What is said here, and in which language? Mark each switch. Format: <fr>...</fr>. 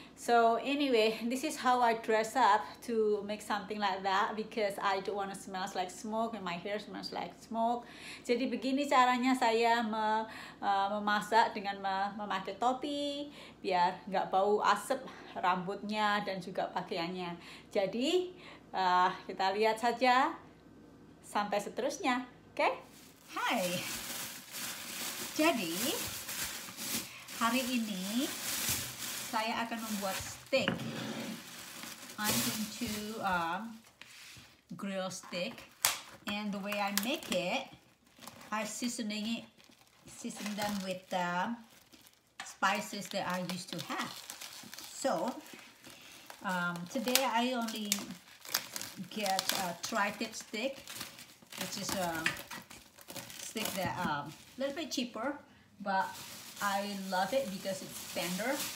<en>So anyway, this is how I dress up to make something like that because I don't want to smell like smoke and my hair smells like smoke.</en> <id>Jadi begini caranya saya memasak dengan memakai topi biar nggak bau asap rambutnya dan juga pakaiannya. Jadi kita lihat saja sampai seterusnya, oke? Hai. Jadi hari ini saya akan membuat steak.</id> <en>I'm going to grill steak, and the way I make it, I season them with the spices that I used to have. So today I only get a tri-tip steak, which is a steak that a little bit cheaper, but I love it because it's tender.</en>